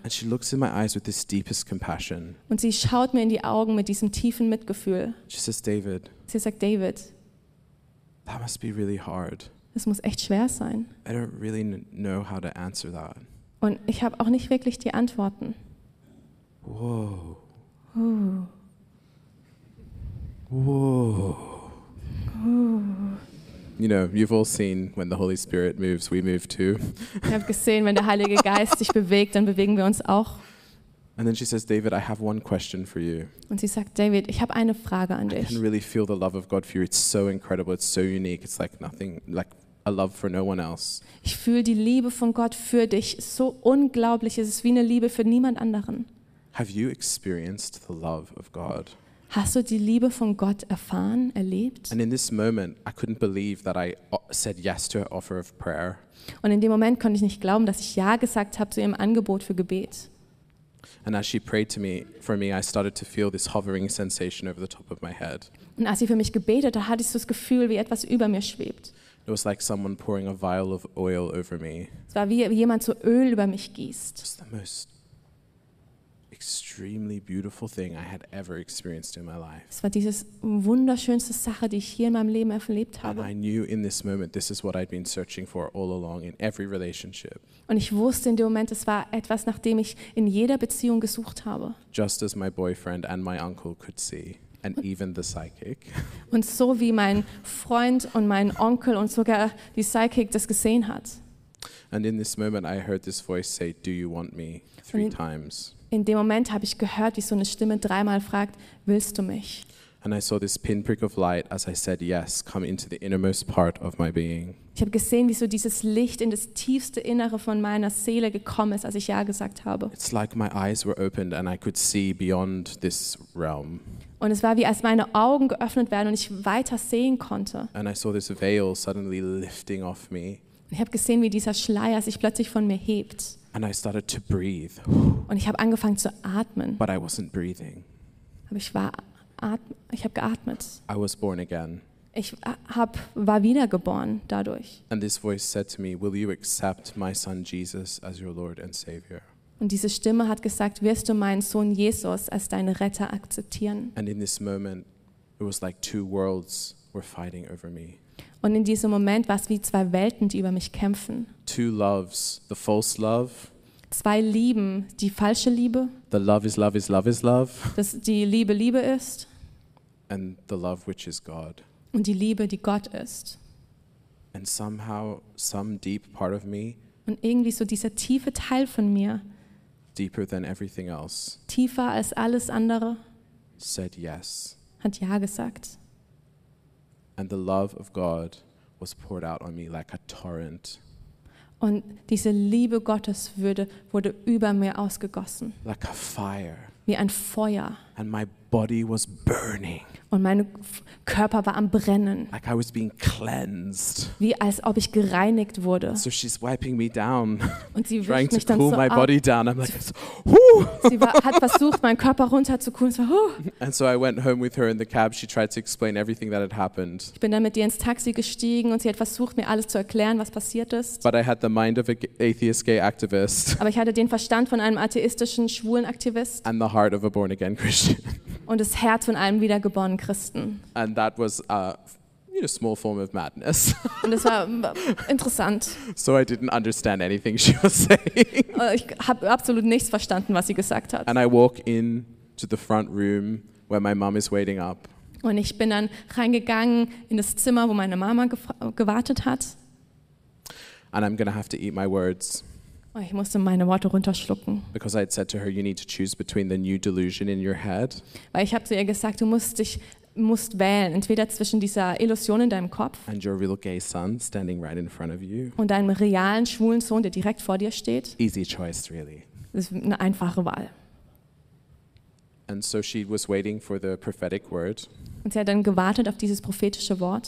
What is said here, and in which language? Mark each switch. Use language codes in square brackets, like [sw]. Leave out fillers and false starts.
[en] And she looks in my eyes with this deepest compassion. [de] Und sie schaut mir in die Augen mit diesem tiefen Mitgefühl. [en] She says, "David." [de] Sie sagt, David. [en] That must be really hard. [de] Das muss echt schwer sein. [en] I don't really know how to answer that. [de] Und ich habe auch nicht wirklich die Antworten. Whoa. Ooh. Whoa. Ooh. [en] You know, you've all seen when the Holy Spirit moves, we move too. [de] Ich habe gesehen, wenn der Heilige Geist sich bewegt, dann bewegen wir uns auch. [en] And then she says, "David, I have one question for you." [de] Und sie sagt, David, ich habe eine Frage an dich. [en] I can really feel the love of God for you. It's so incredible. It's so unique. It's like nothing, like a love for no one else. [de] Ich fühle die Liebe von Gott für dich so unglaublich. Es ist wie eine Liebe für niemand anderen. [en] Have you experienced the love of God? [de] Hast du die Liebe von Gott erfahren, erlebt? [en] And in this moment, I couldn't believe that I said yes to her offer of prayer. [de] Und in dem Moment konnte ich nicht glauben, dass ich ja gesagt habe zu ihrem Angebot für Gebet. [en] And as she prayed for me, I started to feel this hovering sensation over the top of my head. [de] Und als sie für mich gebetet hat, hatte ich so das Gefühl, wie etwas über mir schwebt. [en] It was like someone pouring a vial of oil over me. [de] Es war wie jemand so Öl über mich gießt. [en] Just the most extremely beautiful thing I had ever experienced in my life. [de] Es war dieses wunderschönste Sache, die ich hier in meinem Leben erlebt habe. [en] And I knew in this moment, this is what I'd been searching for all along in every relationship. [de] Und ich wusste in dem Moment, es war etwas, nach dem ich in jeder Beziehung gesucht habe. [en] Just as my boyfriend and my uncle could see. And even the psychic. [de] Und so wie mein Freund und mein Onkel und sogar die Psychic das gesehen hat. [en] And in this moment I heard this voice say, "Do you want me?" three times. [de] In dem Moment habe ich gehört, wie so eine Stimme dreimal fragt, willst du mich? [en] And I saw this pinprick of light as I said, "Yes, come into the innermost part of my being." [de] Ich habe gesehen, wie so dieses Licht in das tiefste Innere von meiner Seele gekommen ist, als ich ja gesagt habe. [en] It's like my eyes were opened and I could see beyond this realm. [de] Und es war wie, als meine Augen geöffnet werden und ich weiter sehen konnte. [en] And I saw this veil suddenly lifting off me. [de] Ich habe gesehen, wie dieser Schleier sich plötzlich von mir hebt. [en] And I started to breathe. [de] Und ich habe angefangen zu atmen. [en] But I wasn't breathing. [de] Aber ich habe geatmet. [en] I was born again. [de] Ich war wiedergeboren dadurch. [en] And this voice said to me, "Will you accept my son Jesus as your Lord and Savior?" [de] Und diese Stimme hat gesagt, wirst du meinen Sohn Jesus als deinen Retter akzeptieren? [en] And in this moment, it was like two worlds were fighting over me. [de] Und in diesem Moment war es wie zwei Welten, die über mich kämpfen. [en] Two loves, the false love. [de] Zwei Lieben, die falsche Liebe. [en] The love is love is love is love. [de] Dass die Liebe Liebe ist. [en] And the love which is God. [de] Und die Liebe, die Gott ist. [en] And somehow, some deep part of me. [de] Und irgendwie so dieser tiefe Teil von mir. [en] Deeper than everything else. [de] Tiefer als alles andere. [en] Said yes. [de] Hat ja gesagt. [en] And the love of God was poured out on me like a torrent. [de] Und diese Liebe Gottes wurde über mir ausgegossen. [en] Like a fire. [de] Wie ein Feuer. [en] And my body was burning. [de] Und mein Körper war am Brennen. [en] Like I was being cleansed. [de] Wie als ob ich gereinigt wurde. [en] So she's wiping me down. [de] Und sie wischt mich dann so ab. [en] Trying to cool my body down. I'm like, [de] Sie hat versucht, meinen Körper runterzukühlen. [en] So, And so I went home with her in the cab. She tried to explain everything that had happened. [de] Ich bin dann mit ihr ins Taxi gestiegen und sie hat versucht, mir alles zu erklären, was passiert ist. [en] But I had the mind of an atheist gay activist. [de] Aber ich hatte den Verstand von einem atheistischen schwulen Aktivist. [en] And the heart of a born again Christian. [de] Und das Herz von einem wiedergeborenen Christen. [en] And that was a small form of madness. [de] Und das war interessant. [en] So I didn't understand anything she was saying. [de] Ich habe absolut nichts verstanden, was sie gesagt hat. [en] And I walk in to the front room where my mom is waiting up. [de] Und ich bin dann reingegangen in das Zimmer, wo meine Mama gewartet hat. [en] And I'm gonna have to eat my words. [de] Ich musste meine Worte runterschlucken. [en] Because I had said to her, "You need to choose between the new delusion in your head." [de] Weil ich habe zu ihr gesagt, du musst wählen, entweder zwischen dieser Illusion in deinem Kopf. [en] And your real gay son standing right in front of you. [de] Und deinem realen schwulen Sohn, der direkt vor dir steht. [en] Easy choice, really. [de] Das ist eine einfache Wahl. [en] And so she was waiting for the prophetic word. [de] Und sie hat dann gewartet auf dieses prophetische Wort.